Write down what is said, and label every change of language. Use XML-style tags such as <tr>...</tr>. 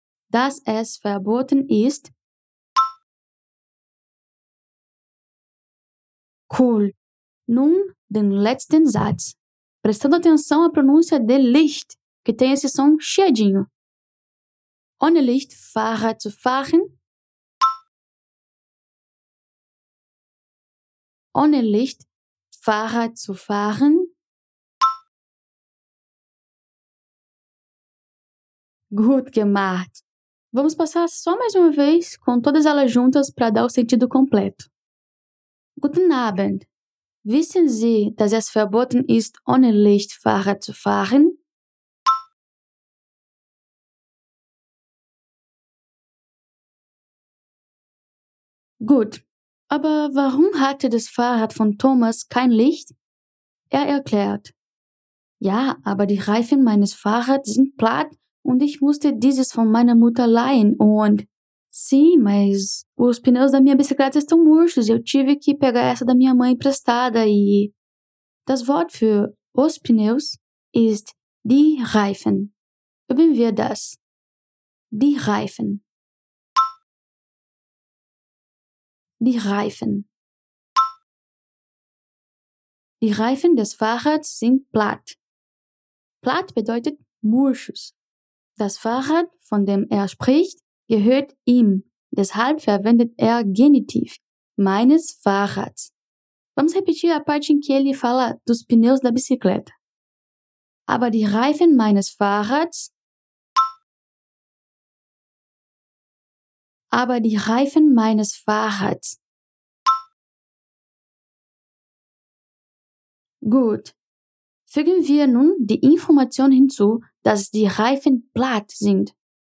<de>Dass es verboten ist. Cool. Nun den letzten Satz.</de> <pt>Prestando atenção à pronúncia de Licht, que tem esse som chiadinho.</pt> <de>Ohne Licht Fahrrad zu fahren. Ohne Licht Fahrrad zu fahren. Gut gemacht.</de> <pt>Vamos passar só mais uma vez, com todas elas juntas, para dar o sentido completo.</pt> <de>Guten Abend. Wissen Sie, dass es verboten ist, ohne Licht Fahrrad zu fahren? Gut, aber warum hatte das Fahrrad von Thomas kein Licht? Er erklärt: Ja, aber die Reifen meines Fahrrads sind platt und ich musste dieses von meiner Mutter leihen und...</de> <pt>Sim, mas os pneus da minha bicicleta estão murchos e eu tive que pegar essa da minha mãe emprestada e...</pt> <de>Das Wort für os pneus ist die Reifen. Üben wir das. Die Reifen. Die Reifen. Die Reifen des Fahrrads sind platt. Platt bedeutet murchos. Das Fahrrad, von dem er spricht, gehört ihm, deshalb verwendet er Genitiv meines Fahrrads.</de> <pt>Vamos repetir a parte em que ele fala dos pneus da bicicleta.</pt> <de>Aber die Reifen meines Fahrrads. Aber die Reifen meines Fahrrads. Gut. Fügen wir nun die Information hinzu, dass die Reifen platt sind.</de>